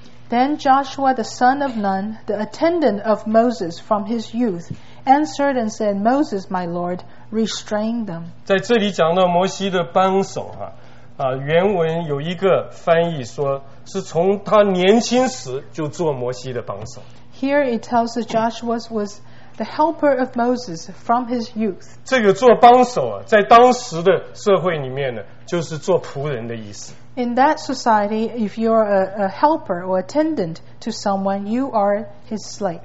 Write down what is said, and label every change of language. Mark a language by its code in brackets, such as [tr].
[en] Then Joshua the son of Nun, the attendant of Moses from his youth, answered and said, Moses, my Lord, restrain them. [zh] 在这里讲到摩西的帮手，原文有一个翻译说，是从他年轻时就做摩西的帮手。 [en] Here it tells that Joshua was the helper of Moses from his youth. [zh] 这个做帮手，在当时的社会里面呢，就是做仆人的意思。 [en] In that society, if you are a helper or attendant to someone, you are his slave.